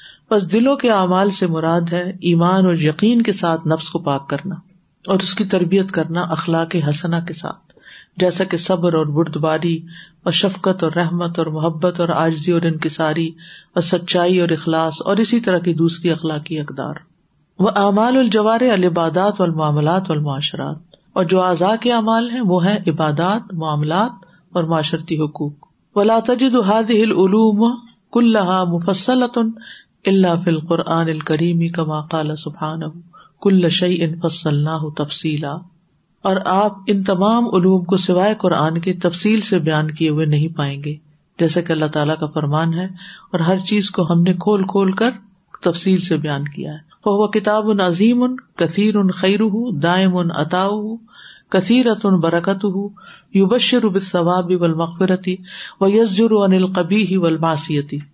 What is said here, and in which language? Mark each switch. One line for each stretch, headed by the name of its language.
Urdu: بس دلوں کے اعمال سے مراد ہے ایمان اور یقین کے ساتھ نفس کو پاک کرنا اور اس کی تربیت کرنا اخلاق حسنہ کے ساتھ، جیسا کہ صبر اور بردباری اور شفقت اور رحمت اور محبت اور عاجزی اور انکساری اور سچائی اور اخلاص اور اسی طرح کی دوسری اخلاقی اقدار.
Arabic: وہ اعمال الجوارح العبادات والمعاملات والمعاشرات.
Urdu: اور جو اعضاء کے اعمال ہیں وہ ہیں عبادات، معاملات اور معاشرتی حقوق.
Arabic: ولا تجد هذه العلوم كلها مفصلة الا في القرآن الكريم كما قال سبحانه كل شيء فصلناه تفصيلا.
Urdu: اور آپ ان تمام علوم کو سوائے قرآن کے تفصیل سے بیان کیے ہوئے نہیں پائیں گے، جیسا کہ اللہ تعالیٰ کا فرمان ہے اور ہر چیز کو ہم نے کھول کھول کر تفصیل سے بیان کیا ہے.
Arabic: فہو کتاب عظیم کثیر خیرہ دائم عطاؤہ کثیرۃ برکتہ یبشر بالثواب والمغفرۃ ویزجر عن القبیح والمعصیۃ.